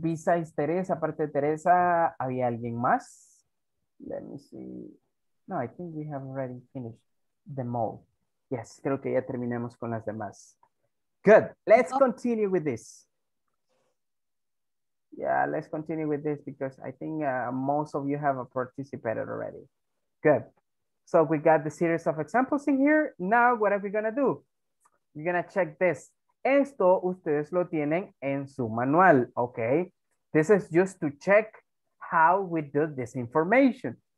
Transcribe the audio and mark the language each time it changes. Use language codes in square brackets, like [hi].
[es] Besides Teresa, aparte de Teresa, ¿había alguien más? [en] Let me see. No, I think we have already finished them all. [es] Yes, creo que ya terminamos con las demás. [en] Good. Let's continue with this. Yeah, let's continue with this because I think most of you have participated already. Good. So we got the series of examples in here. Now, what are we going to do? We're going to check this. [es] Esto ustedes lo tienen en su manual, ¿ok? [en] This is just to check how we do this information.